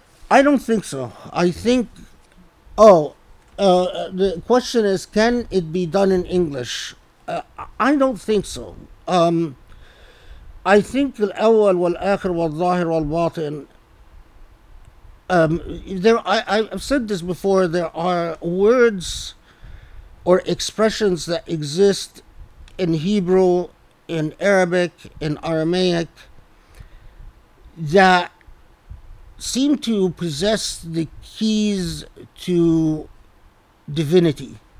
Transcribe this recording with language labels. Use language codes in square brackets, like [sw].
[en] I don't think so. I think, the question is, can it be done in English? I don't think so. I think [ar] الأول والآخر والظاهر والباطن. [en] I've said this before. There are words or expressions that exist in Hebrew, in Arabic, in Aramaic, that seem to possess the keys to divinity.